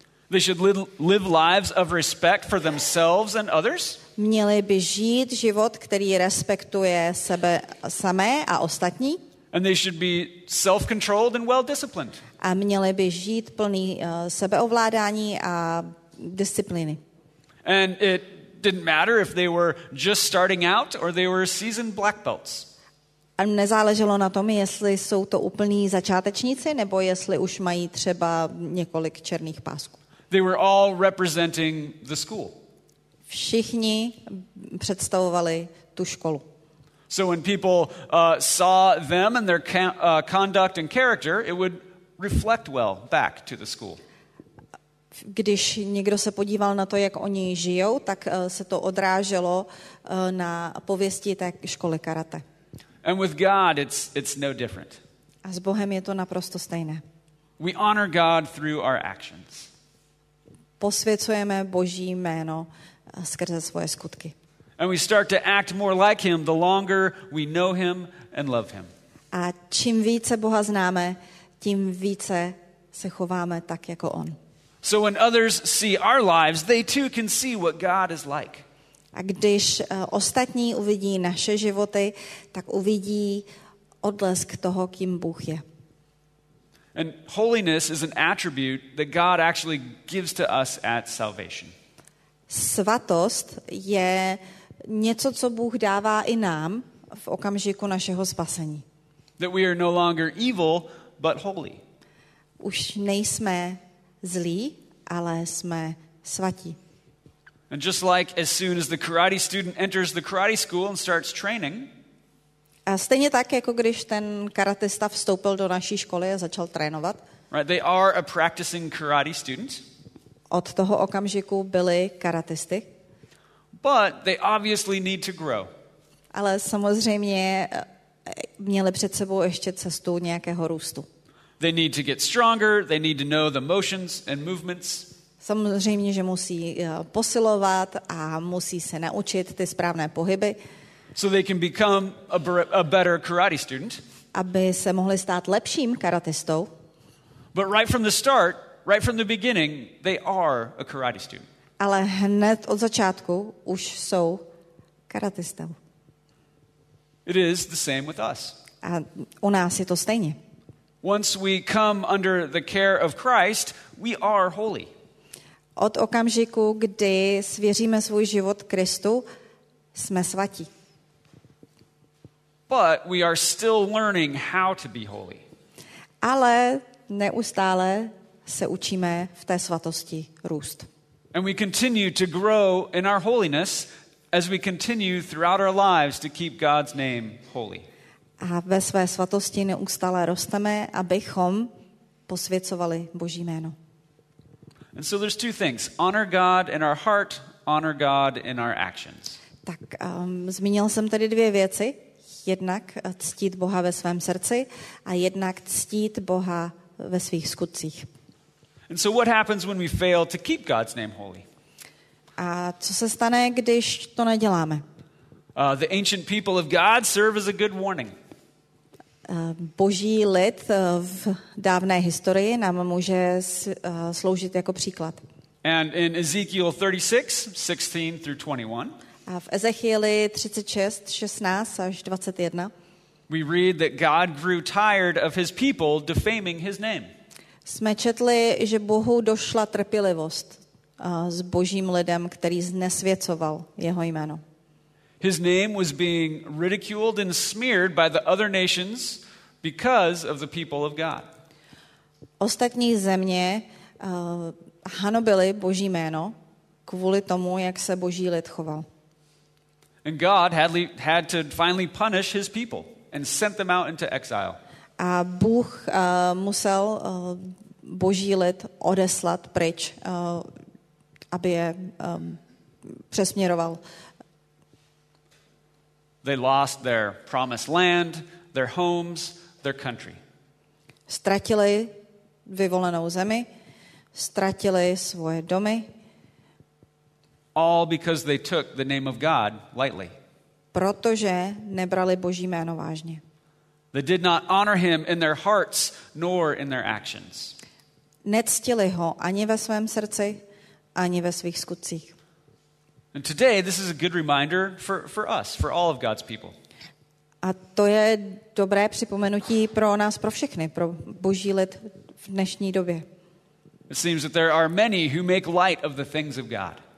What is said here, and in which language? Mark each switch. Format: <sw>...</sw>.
<en>They should live lives of respect for themselves and others.</en> <cs>Měli by žít život, který respektuje sebe samé a ostatní.</cs> <en>And they should be self-controlled and well-disciplined.</en> <cs>A měli by žít plný sebeovládání a disciplíny.</cs> <en>And it didn't matter if they were just starting out or they were seasoned black belts.</en> <cs>A nezáleželo na tom, jestli jsou to úplní začátečníci nebo jestli už mají třeba několik černých pásků.</cs> <en>They were all representing the school.</en> <cs>Všichni představovali tu školu.</cs> <en>So when people saw them and their conduct and character, it would reflect well back to the school.</en> <cs>Když někdo se podíval na to, jak oni žijou, tak se to odráželo na pověsti té školy karate.</cs> <en>And with God, it's no different.</en> <cs>A s Bohem je to naprosto stejné.</cs> <en>We honor God through our actions.</en> <cs>Posvěcujeme Boží jméno skrze svoje skutky.</cs> <en>And we start to act more like him the longer we know him and love him.</en> <cs>A čím více Boha známe, tím více se chováme tak jako on.</cs> <en>So when others see our lives, they too can see what God is like.</en> <cs>A když ostatní uvidí naše životy, tak uvidí odlesk toho, kým Bůh je.</cs> <en>And holiness is an attribute that God actually gives to us at salvation.</en> <cs>Svatost je něco, co Bůh dává i nám v okamžiku našeho spasení.</cs> <en>That we are no longer evil, but holy.</en> <cs>Už nejsme zlí, ale jsme svatí.</cs> <en>And just like as soon as the karate student enters the karate school and starts training.</en> <cs>A stejně tak, jako když ten karatista vstoupil do naší školy a začal trénovat.</cs> <en>Right, they are a practicing karate student.</en> <cs>Od toho okamžiku byli karatisty.</cs> <en>But they obviously need to grow.</en> <cs>Ale samozřejmě měli před sebou ještě cestu nějakého růstu.</cs> <en>They need to get stronger, they need to know the motions and movements.</en> <cs>Samozřejmě, že musí posilovat a musí se naučit ty správné pohyby.</cs> <en>So they can become a better karate student.</en> <cs>Aby se mohli stát lepším karatistou.</cs> <en>But right from the start, right from the beginning, they are a karate student.</en> <cs>Ale hned od začátku už jsou karatistou.</cs> <en>It is the same with us.</en> <cs>A u nás je to stejně.</cs> <en>Once we come under the care of Christ, we are holy.</en> <cs>Od okamžiku, kdy svěříme svůj život Kristu, jsme svatí.</cs> <en>But we are still learning how to be holy.</en> <cs>Ale neustále se učíme v té svatosti růst.</cs> <en>And we continue to grow in our holiness as we continue throughout our lives to keep God's name holy.</en> <cs>A ve své svatosti neustále rosteme, abychom posvěcovali Boží jméno.</cs> <en>And so there's two things. Honor God in our heart, honor God in our actions.</en> <cs>Tak zmínil jsem tady dvě věci. Jednak ctít Boha ve svém srdci a jednak ctít Boha ve svých skutcích.</cs> <en>And so what happens when we fail to keep God's name holy?</en> <cs>A co se stane, když to neděláme?</cs> <en>The ancient people of God serve as a good warning.</en> <cs>Boží lid v dávné historii nám může sloužit jako příklad.</cs> <en>And in Ezekiel 36, 16 through 21.</en> <cs>A v Ezechieli 36, 16 až 21.</cs> <en>We read that God grew tired of his people defaming his name.</en> <cs>Jsme četli, že Bohu došla trpělivost s Božím lidem, který znesvěcoval jeho jméno.</cs> <en>His name was being ridiculed and smeared by the other nations because of the people of God.</en> <cs>Ostatní země hanobili Boží jméno kvůli tomu, jak se Boží lid choval.</cs> <en>And God had to finally punish his people and sent them out into exile.</en> <cs>A Bůh musel Boží lid odeslat pryč, aby je přesměroval.</cs> <en>They lost their promised land, their homes, their country.</en> <cs>Ztratili vyvolenou zemi, ztratili svoje domy.</cs> <en>All because they took the name of God lightly.</en> <cs>Protože nebrali Boží jméno vážně.</cs> <en>They did not honor him in their hearts nor in their actions.</en> <cs>Nectili ho ani ve svém srdci, ani ve svých skutcích.</cs> <en>And today this is a good reminder for us, for all of God's people.</en> <cs>A to je dobré připomenutí pro nás, pro všechny, pro Boží lid v dnešní době.</cs> <en>It seems that there are many who make light of the things of God.</en>